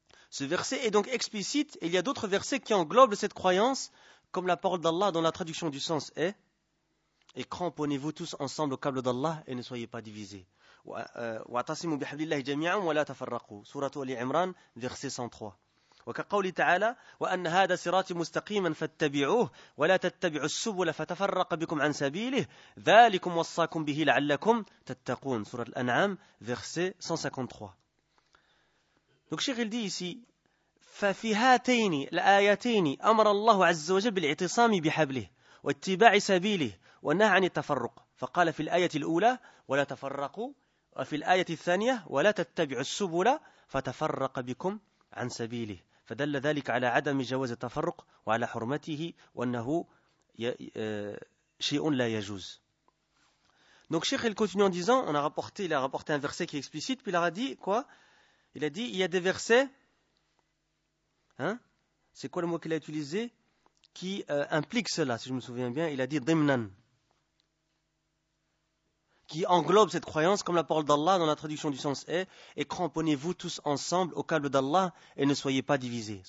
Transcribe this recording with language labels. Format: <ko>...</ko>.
<fr>Ce verset est donc explicite. Et il y a d'autres versets qui englobent cette croyance, comme la parole d'Allah dont la traduction du sens est « Et cramponnez-vous tous ensemble au câble d'Allah et ne soyez pas divisés. »</fr> <ar>واعتصموا بحبل الله جميعا ولا تفرقوا سورة آل عمران</ar> <fr>verset 103</fr> <ar>وكقول تعالى وأن هذا صراطي مستقيما فاتبعوه ولا تتبعوا السبل فتفرق بكم عن سبيله ذلكم وصاكم به لعلكم تتقون سورة الأنعام</ar> <fr>verset 153. Donc Cheikh il dit ici,</fr> <ar>ففي هاتين الآيتين أمر الله عز وجل بالاعتصام بحبله واتباع سبيله ونهى عن التفرق فقال في الآية الأولى ولا تفرقوا وفي الآية الثانية ولا تتبعوا السبل فتفرق بكم عن سبيله فدل ذلك على عدم جواز التفرق وعلى حرمته وأنه شيء لا يجوز.</ar> <fr>Donc Cheikh il continue en disant, il a rapporté un verset qui est explicite, puis il a dit il y a des versets, hein, c'est quoi le mot qu'il a utilisé qui implique cela, si je me souviens bien, il a dit dhimnan, qui englobe cette croyance, comme la parole d'Allah dans la traduction du sens est, et cramponnez-vous tous ensemble au câble d'Allah et ne soyez pas divisés.</fr>